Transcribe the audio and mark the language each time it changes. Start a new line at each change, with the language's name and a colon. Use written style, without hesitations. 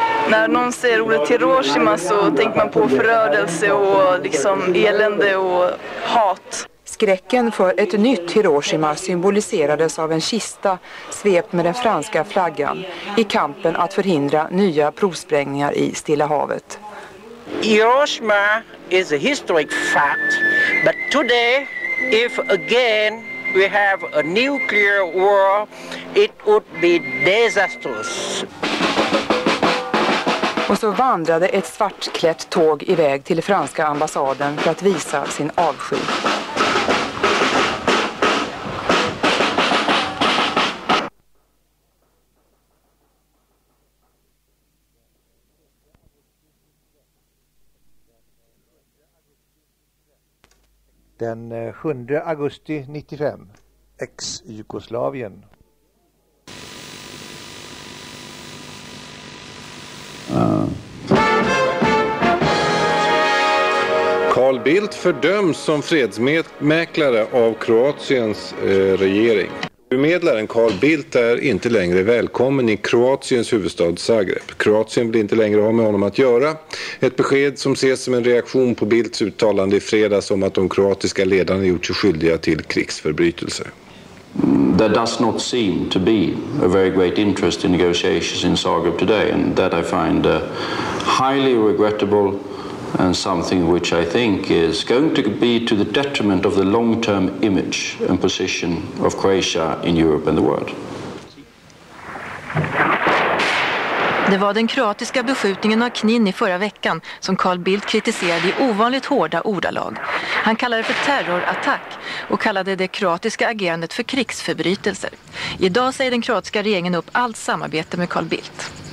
Swedish: När någon säger ordet Hiroshima så tänker man på förödelse och liksom elände och hat. Skräcken för ett nytt Hiroshima symboliserades av en kista svept med den franska flaggan i kampen att förhindra nya provsprängningar i Stilla havet.
English: Hiroshima is a historic fact, but today if again we have a nuclear war, it would be disastrous.
Swedish: Och så vandrade ett svartklätt tåg iväg till franska ambassaden för att visa sin avsky. Den 7 augusti 95, ex-Jugoslavien. Carl Bildt fördöms som fredsmäklare av Kroatiens regering. Medlaren Carl Bildt är inte längre välkommen i Kroatiens huvudstad Zagreb. Kroatien vill inte längre ha med honom att göra. Ett besked som ses som en reaktion på Bildts uttalande i fredags om att de kroatiska ledarna gjort sig skyldiga till krigsförbrytelser.
English: There does not seem to be a very great interest in negotiations in Zagreb today, and that I find highly regrettable and something which I think is going to be to the detriment of the long-term image and position of Croatia in Europe and the world.
Swedish: Det var den kroatiska beskjutningen av Knin i förra veckan som Carl Bildt kritiserade i ovanligt hårda ordalag. Han kallade det för terrorattack och kallade det kroatiska agerandet för krigsförbrytelser. Idag säger den kroatiska regeringen upp allt samarbete med Carl Bildt.